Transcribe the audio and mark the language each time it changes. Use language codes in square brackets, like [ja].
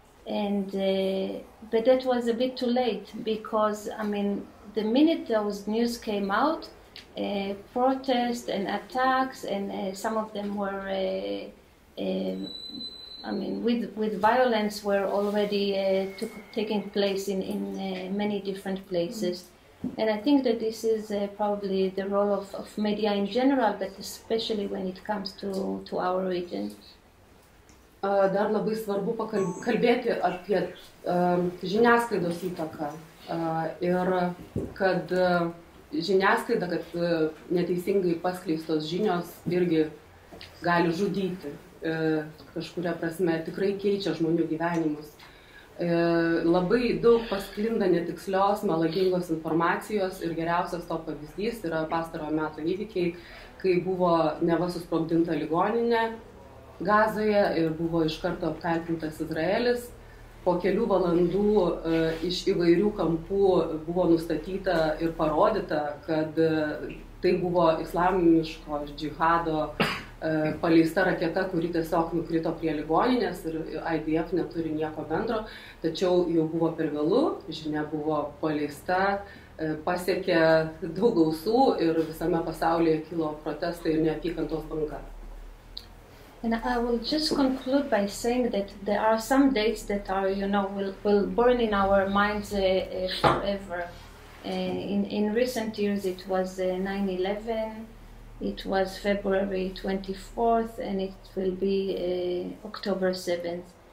[en] And but that was a bit too late, because I mean, the minute those news came out, protests and attacks, and some of them were with violence, were already taking place in many different places. And I think that this is probably the role of media in general, but especially when it comes to our region. [lt] Dar labai svarbu kalbėti apie žiniasklaidos įtaką ir kad žiniasklaida, kad neteisingai paskleistos žinios irgi gali žudyti, kažkuria prasme tikrai keičia žmonių gyvenimus. Labai daug pasklinda netikslios, melagingos informacijos ir geriausias to pavyzdys yra pastarojo meto įvykiai, kai buvo neva susprogdinta ligoninė Gazoje ir buvo iš karto apkaltintas Izraelis. Po kelių valandų iš įvairių kampų buvo nustatyta ir parodyta, kad tai buvo islamiško džihado paleista raketa, kuri tiesiog nukrito prie ligoninės ir IDF neturi nieko bendro. Tačiau jau buvo per vėlų, žinia buvo paleista, pasiekė daug ausų ir visame pasaulyje kilo protestai ir neapykantos banga. [en] And I will just conclude by saying that there are some dates that are, you know, will burn in our minds forever. In recent years, it was 9/11, it was February 24th, and it will be October 7th.